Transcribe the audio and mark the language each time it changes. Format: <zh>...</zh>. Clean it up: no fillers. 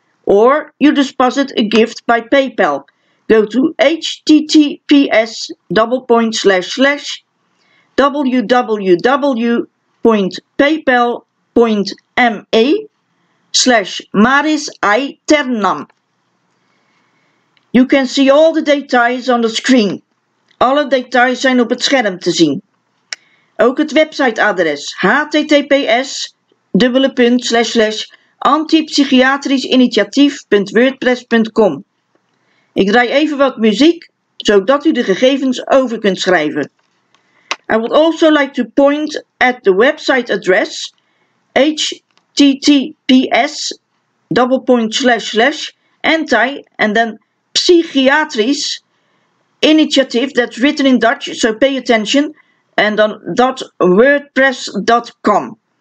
<en>Or you deposit a gift by PayPal. Go to https://www.paypal.me/MarisAiTernam. You can see all the details on the screen.</en> <nl>Alle details zijn op het scherm te zien. Ook het websiteadres https://antipsychiatrischinitiatief.wordpress.com. Ik draai even wat muziek, zodat u de gegevens over kunt schrijven.</nl> <en>I would also like to point at the website address https://anti-psychiatrisch-initiatief, that's written in Dutch, so pay attention, and on .wordpress.com.</en>